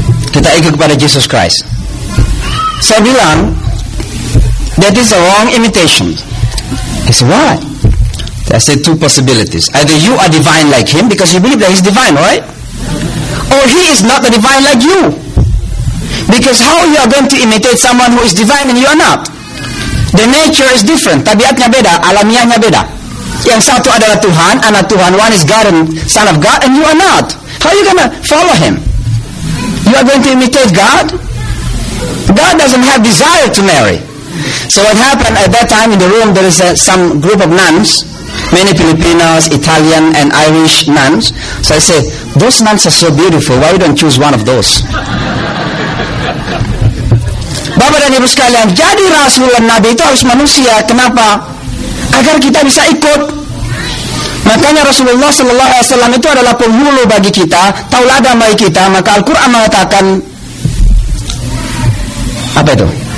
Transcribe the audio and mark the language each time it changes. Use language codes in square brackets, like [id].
[id] Kita ikut kepada Jesus Christ. Saya bilang, [en] that is a wrong imitation. He said, why? I said, two possibilities. Either you are divine like him, because you believe that he's divine, right? Or he is not the divine like you. Because how you are going to imitate someone who is divine and you are not? The nature is different. [id] Tabiatnya beda, alamiahnya beda. Yang satu adalah Tuhan, anak Tuhan. [en] One is God and Son of God, and you are not. How are you going to follow him? You are going to imitate God? God doesn't have desire to marry. So what happened at that time in the room, there is some group of nuns, many Filipinos, Italian, and Irish nuns. So I say, those nuns are so beautiful, why you don't choose one of those? [id] Bapak dan Ibu sekalian, jadi Rasul dan Nabi itu harus manusia. Kenapa? Agar kita bisa ikut. Makanya Rasulullah sallallahu alaihi wasallam itu adalah penghulu bagi kita, tauladan bagi kita. Maka Al-Qur'an mengatakan apa itu?